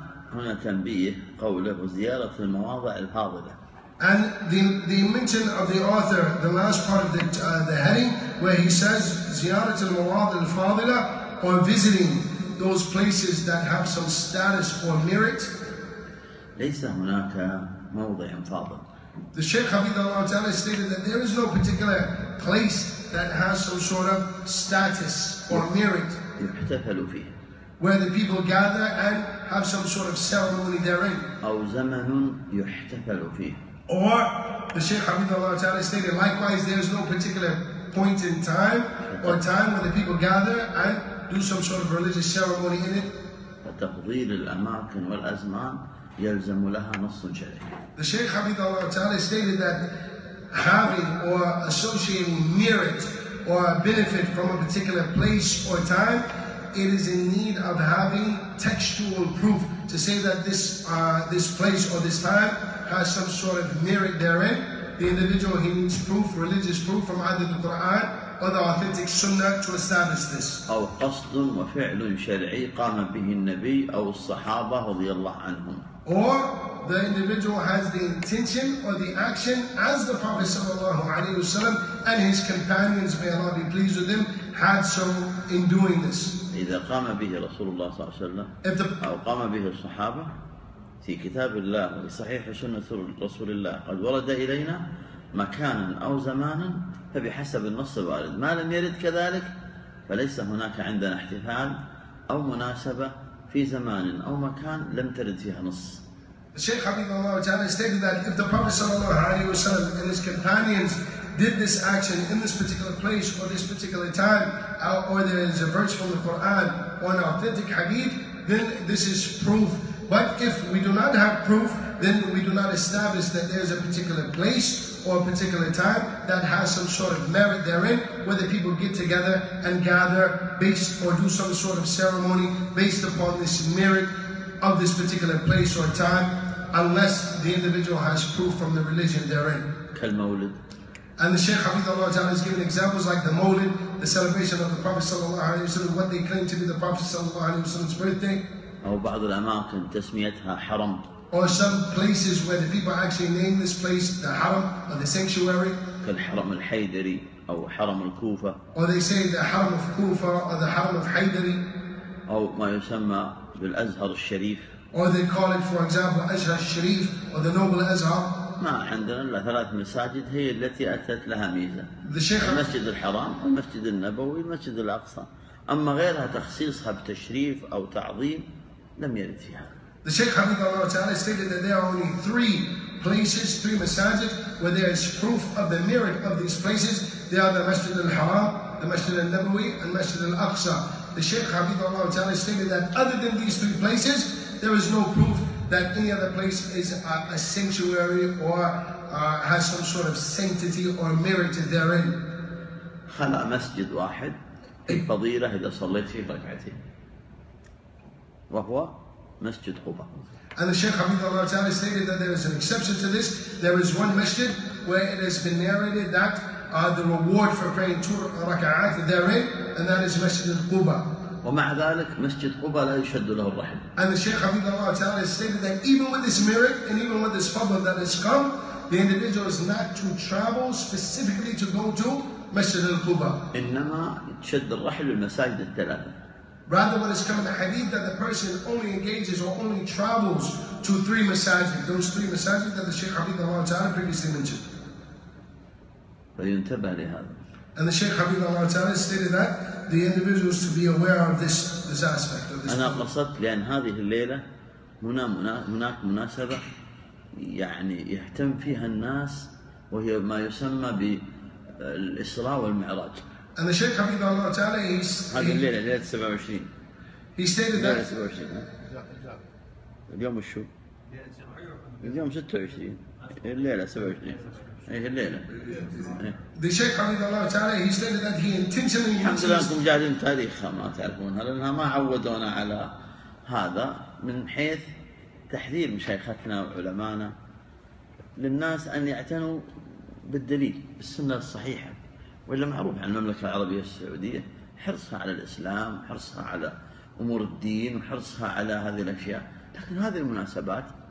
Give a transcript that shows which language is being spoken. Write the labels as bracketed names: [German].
[Arabic] هنا تنبيه قوله وزيارة المواضع الفاضلة. [English] And the mention of the author, the last part of the heading, where he says [Arabic] زيارة المواضع الفاضلة, [English] or visiting those places that have some status or merit. [Arabic] ليس هناك موضع فاضل. [English] The Shaykh Hafidhullah Ta'ala stated that there is no particular place that has some sort of status or merit. [Arabic] يحتفل فيه. [English] Where the people gather and have some sort of ceremony therein. [Arabic] أو زمن يحتفل فيه. [English] Or the Shaykh Hafidhullah Ta'ala stated, likewise, there is no particular point in time or time where the people gather and do some sort of religious ceremony in it. [Arabic] وتفضيل الأماكن والأزمان يلزم لها نص شرعي. [English] The Shaykh Hafidhullah Ta'ala stated that having or associating merit or benefit from a particular place or time, it is in need of having textual proof to say that this place or this time has some sort of merit therein. The individual, he needs proof, religious proof from either the Quran or the authentic Sunnah to establish this. [Arabic] أو قصد وفعل شرعي قام به النبي أو الصحابة رضي الله عنهم. [English] Or the individual has the intention or the action as the Prophet sallallahu alaihi wasallam and his companions, may Allah be pleased with them, had so in doing this. [Arabic] إذا قام به رسول الله صلى الله عليه وسلم أو قام به الصحابة في كتاب الله وصحيح سنة رسول الله قد ورد إلينا مكانا أو زمانا فبحسب النص الوارد، ما لم يرد كذلك فليس هناك عندنا احتفال أو مناسبة في زمان أو مكان لم ترد فيها نص. الشيخ حبيب الله تعالى [English] stated that if the Prophet [Arabic] صلى الله عليه وسلم [English] and his companions did this action in this particular place or this particular time, or there is a verse from the Quran or an authentic hadith, then this is proof. But if we do not have proof, then we do not establish that there is a particular place or a particular time that has some sort of merit therein, where the people get together and gather based or do some sort of ceremony based upon this merit of this particular place or time, unless the individual has proof from the religion therein. [Arabic] كالمولد. [English] And the Shaykh Hafidhullah Ta'ala has given examples like the Mawlid, the celebration of the Prophet sallallahu alaihi wasallam, what they claim to be the Prophet sallallahu alaihi wasallam's birthday. [Arabic] أو بعض الأماكن تسميتها حرم. [English] Or some places where the people actually name this place the Haram or the sanctuary. [Arabic] كالحرم الحيدري أو حرم الكوفة. [English] Or they say the Haram of Kufa or the Haram of Haydari. [Arabic] أو ما يسمى بالأزهر الشريف. [English] Or they call it, for example, Azhar al-Sharif or the Noble Azhar. [Arabic] ما عندنا إلا ثلاث مساجد هي التي أتت لها ميزة. [English] The Sheikh. [Arabic] المسجد الحرام والمسجد النبوي والمسجد الأقصى. أما غيرها تخصيصها بتشريف أو تعظيم لم يرد فيها. [English] The Shaykh Hafidhullah Ta'ala stated that there are only three places, three masajid, where there is proof of the merit of these places. They are the Masjid al-Haram, the Masjid al-Nabawi, and Masjid al-Aqsa. The Shaykh Hafidhullah Ta'ala stated that other than these three places, there is no proof that any other place is a sanctuary or has some sort of sanctity or merit therein. [Arabic] خلع مسجد واحد الفضيلة إذا صليت فيه ركعتين وهو مسجد قباء. [English] And the Shaykh Hafidhullah Ta'ala stated that there is an exception to this. There is one masjid where it has been narrated that the reward for praying two rak'at therein, and that is Masjid Quba. [Arabic] ومع ذلك مسجد قباء لا يشد له الرحم. [English] And the Shaykh Hafidhullah Ta'ala stated that even with this merit and even with this fadl that has come, the individual is not to travel specifically to go to Masjid al-Quba. [Arabic] إنما تشد الرحل للمساجد الثلاثة. [English] Rather, what has come in the hadith that the person only engages or only travels to three masajid, those three masajid that the Shaykh Hafidhullah Ta'ala previously mentioned. [Arabic] فينتبه لهذا. [English] And the Shaykh Hafidhullah Ta'ala stated that the individual is to be aware of this aspect of this. [Arabic] أنا قصدت لأن هذه الليلة هناك مناسبة يعني يهتم فيها الناس وهي ما يسمى ب الإسراء والمعراج. [English] And the Shaykh Hafidhullah Ta'ala, he's [Arabic] هذه الليلة ليلة 27. [English] He stated that. [Arabic] 27. اليوم شو؟ اليوم 26. الليلة 27. إيه الليلة. [English] The Shaykh Hafidhullah Ta'ala, he stated that he intentionally. [Arabic] الحمد لله أنكم جاهزين تاريخها ما تعرفونها لأنها ما عودونا على هذا من حيث تحذير مشايخنا وعلمانا للناس أن يعتنوا بالدليل بالسنة الصحيحة وإلا معروف عن المملكة العربية السعودية حرصها على الإسلام حرصها على أمور الدين وحرصها على هذه الأشياء لكن هذه المناسبات